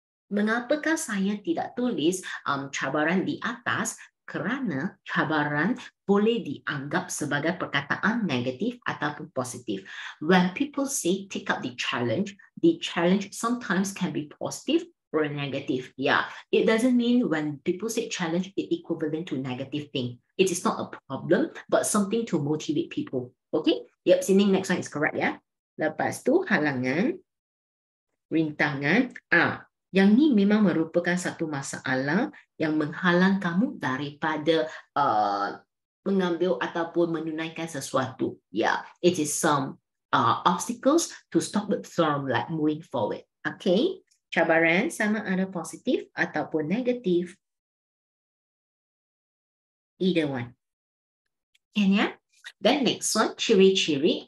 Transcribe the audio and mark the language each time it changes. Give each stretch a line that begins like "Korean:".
Malay: Mengapakah saya tidak tulis cabaran di atas? Kerana cabaran boleh dianggap sebagai perkataan negatif ataupun positif.
English: When people say take up the challenge sometimes can be positive or negative. Yeah, it doesn't mean when people say challenge, it equivalent to negative thing. It is not a problem, but something to motivate people. Okay, yep, sini next one is correct, yeah.
Malay: Lepas tu, halangan. rintangan. Yang ni memang merupakan satu masalah yang menghalang kamu daripada mengambil ataupun menunaikan sesuatu.
English: Yeah, it is some obstacles to stop it from like moving forward.
Malay: Okay, cabaran sama ada positif ataupun negatif.
English: Either one. Can ya? Then next one, ciri-ciri.